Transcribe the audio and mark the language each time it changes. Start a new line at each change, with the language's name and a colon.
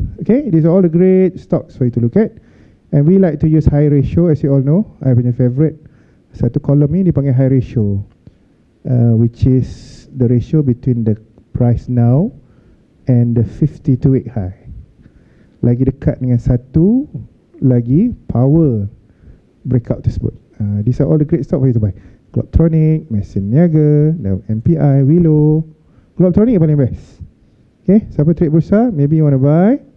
English: Okay, these are all the great stocks for you to look at. And we like to use high ratio, as you all know. I
Malay: punya
English: favorite.
Malay: Satu kolom ni dipanggil
English: high ratio. Which is the ratio between the price now and the 52 week high.
Malay: Lagi dekat dengan satu, lagi power breakout tersebut.
English: These are all the great stock for you to buy. Globetronic, Mesin Niaga, MPI, Willow. Globetronic
Malay: yang paling
English: best. Okay,
Malay: siapa trade bursa,
English: maybe you want to buy.